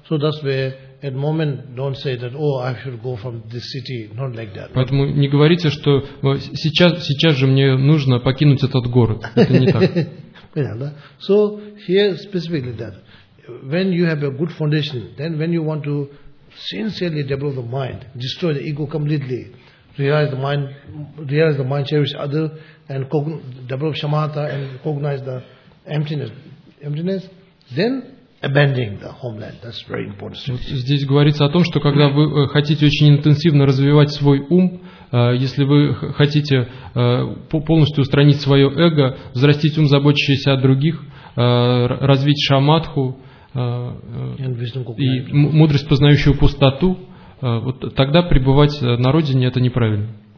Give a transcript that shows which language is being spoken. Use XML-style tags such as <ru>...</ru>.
<en>So that's where at the moment don't say that, oh, I should go from this city, not like that.</en> <ru>Поэтому не говорите, что сейчас же мне нужно покинуть этот город. Это не так. Понятно, да?</ru> <en>So here specifically that when you have a good foundation, then when you want to sincerely develop the mind, destroy the ego completely, realize the mind, cherish other, and develop shamatha and cognize the emptiness, then abandoning the homeland. That's very important.</en> <ru>Вот здесь говорится о том, что когда вы хотите очень интенсивно развивать свой ум, если вы хотите полностью устранить свое эго, взрастить ум, заботящийся о других, развить шамадху, и мудрость, познающую пустоту, вот тогда пребывать на родине это неправильно.</ru>